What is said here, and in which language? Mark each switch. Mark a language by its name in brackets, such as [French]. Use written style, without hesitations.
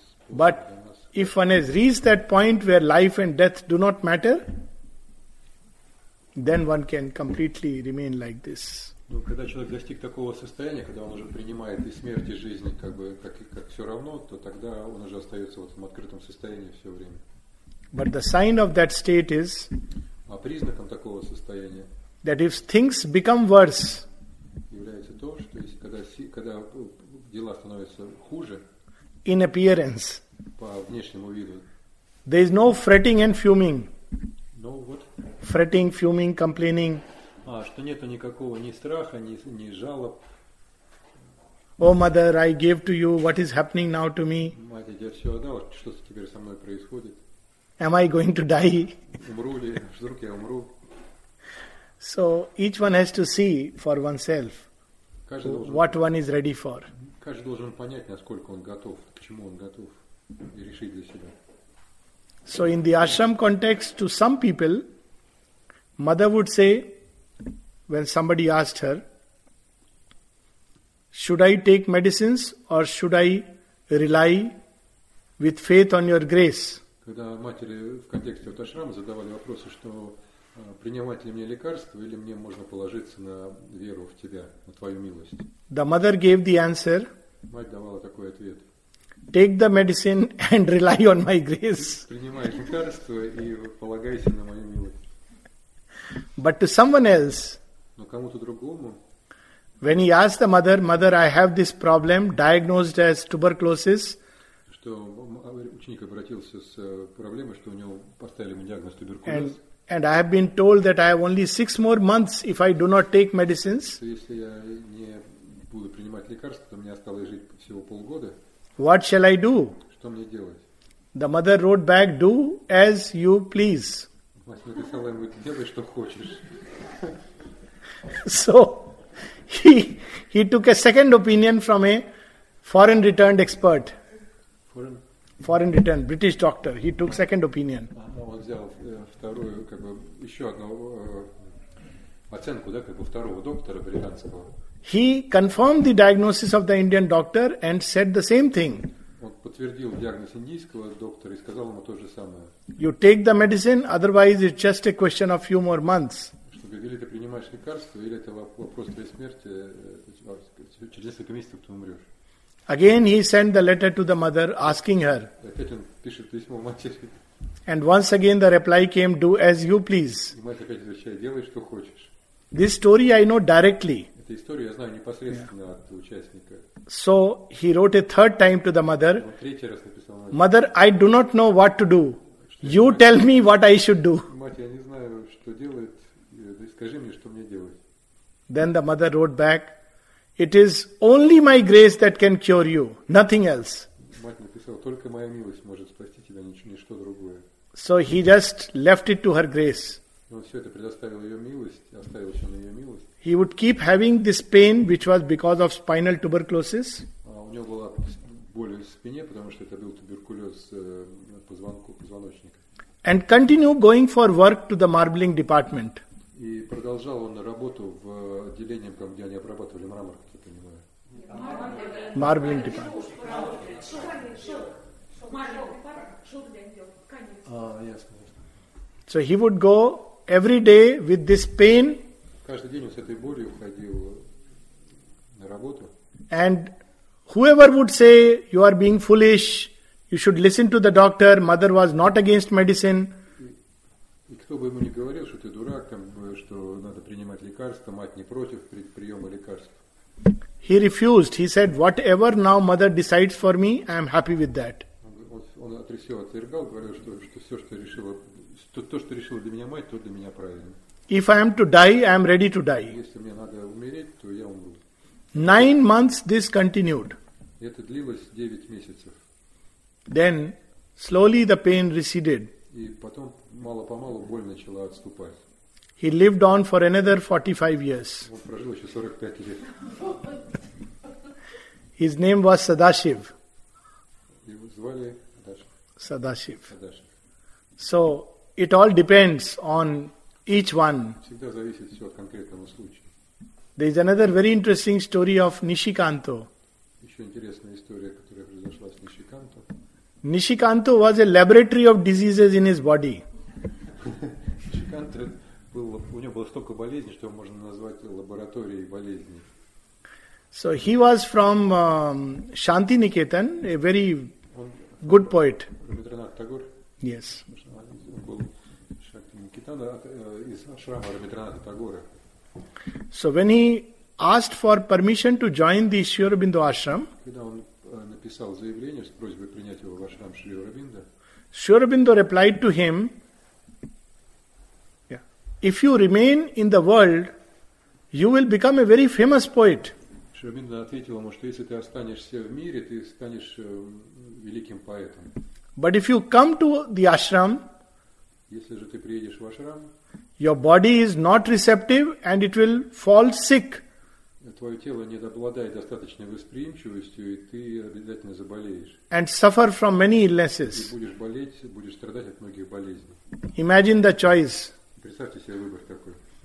[English] But if one has reached that point where life and death do not matter, then one can completely remain like this. [Russian] Ну, когда человек достиг такого состояния, когда он уже принимает и смерть, и жизнь, как бы как все равно, то тогда он уже остается вот в открытом состоянии все время. [English] But the sign of that state is. [Russian] А признаком такого состояния. [English] That if things become worse. [Russian] Является то, что если когда дела становятся хуже. [English] In appearance. [Russian] По внешнему виду. [English] There is no fretting and fuming. No what? Fretting, fuming, complaining. [Russian] А что нету никакого ни страха, ни жалоб. [English] Oh mother, I gave to you what is happening now to me. [Russian] Мать, я все отдал, что теперь со мной происходит. [English] Am I going to die? [Russian] Умру ли? Вдруг я умру? [English] So each one has to see for oneself what one is ready for. [Russian] Каждый должен понять, насколько он готов, к чему он готов, и решить для себя. [English] So in the ashram context, to some people, mother would say, when somebody asked her, should I take medicines or should I rely with faith on your grace? [Russian] Когда матери в контексте вот ашрама задавали вопросы, что принимать ли мне лекарство или мне можно положиться на веру в тебя, на твою милость. [English] The mother gave the answer. [Russian] Мать давала такой ответ. [English] Take the medicine and rely on my grace. [Russian] Принимай лекарство и полагайся на мою милость. [English] But to someone else. [Russian] Но кому-то другому. [English] When he asked the mother, mother, I have this problem diagnosed as tuberculosis. [Russian] Что ученик обратился с проблемой, что у него поставили ему диагноз туберкулез. [English] And I have been told that I have only 6 more months if I do not take medicines. [Russian] Если я не буду принимать лекарства, то мне осталось жить всего полгода. [English] What shall I do? [Russian] Что мне делать? [English] The mother wrote back, do as you please. [Russian] Мать написала ему, делай, что хочешь. [English] So, he took a second opinion from a foreign returned expert. Foreign returned, British doctor. He took second opinion. [Russian] Он взял вторую, как бы, еще одну оценку, да, как бы второго доктора британского. [English] He confirmed the diagnosis of the Indian doctor and said the same thing. [Russian] Он подтвердил диагноз индийского доктора и сказал ему то же самое. [English] You take the medicine, otherwise it's just a question of few more months. [Russian] Или ты принимаешь лекарство, или это вопрос твоей смерти, через несколько месяцев ты умрешь. [English] Again he sent the letter to the mother asking her. [Russian] Опять он пишет письмо матери. [English] And once again the reply came, do as you please. [Russian] И мать опять отвечает, делай, что хочешь. [English] This story I know directly. [Russian] Эту историю я знаю непосредственно от участника. [English] So he wrote a third time to the mother. [Russian] Он третий раз написал матери. [English] Мадер, I do not know what to do. You tell me what I should do. [Russian] Мать, я не знаю, что делать. Скажи мне, что мне делать. [English] Then the mother wrote back, it is only my grace that can cure you, nothing else. [Russian] Мать написала, только моя милость может спасти тебя, ничто другое. [English] So he just left it to her grace. [Russian] Он все это предоставил ее милость, оставил все на ее милость. [English] He would keep having this pain, which was because of spinal tuberculosis. [Russian] У него была боль в спине, потому что это был туберкулез позвоночника. [English] And continue going for work to the marbling department. [Russian] И продолжал он работу в отделении, где они обрабатывали мрамор, как я понимаю. [English] Marbling department. So he would go every day with this pain. [Russian] Каждый день он с этой болью ходил на работу. [English] And whoever would say, you are being foolish, you should listen to the doctor, mother was not against medicine. [Russian] И кто бы ему ни говорил, что ты дурак, там, что надо принимать лекарства, мать не против приема лекарств. [English] He refused. He said, whatever now mother decides for me, I am happy with that. [Russian] Он отрицал, отвергал, говорил, что все, что решила, то, что решила для меня мать, то для меня правильно. [English] If I am to die, I am ready to die. [Russian] Если мне надо умереть, то я умру. [English] 9 months this continued. [Russian] Это длилось 9 месяцев. [English] Then, slowly the pain receded. [Russian] И потом, мало-помалу, боль начала отступать. [English] He lived on for another 45 years. [Russian] Он прожил еще 45 лет. [English] His name was Sadashiv. [Russian] Его звали [English] Sadashiv. So it all depends on each one. [Russian] Всегда зависит все от конкретного случая. [English] There is another very interesting story of Nishikanto. [Russian] Еще интересная история, которая произошла с Нишиканто. [English] Nishikanto was a laboratory of diseases in his body. [Russian] Nishikanto был, у него было столько болезней, что можно назвать лабораторией болезней. [English] So he was from Shantiniketan, a very good poet. [Russian] Рабиндранат Тагор. [English] Yes. [Russian] Он был Шантиникетан из ашрама Рабиндраната Тагора. [English] So when he asked for permission to join the Sri Aurobindo ashram, [Russian] когда он написал заявление с просьбой принять его в ашрам Шри Аурабиндо, [English] Sri Aurobindo replied to him, "If you remain in the world, you will become a very famous poet." [Russian] Шри Аурабиндо ответил ему, что если ты останешься в мире, ты станешь великим поэтом. [English] But if you come to the ashram, [Russian] если же ты приедешь в ашрам, [English] your body is not receptive and it will fall sick. [Russian] Твое тело не обладает достаточной восприимчивостью, и ты обязательно заболеешь. [English] And suffer from many illnesses. [Russian] И будешь болеть, будешь страдать от многих болезней. [English] Imagine the choice. [Russian] Представьте себе выбор такой.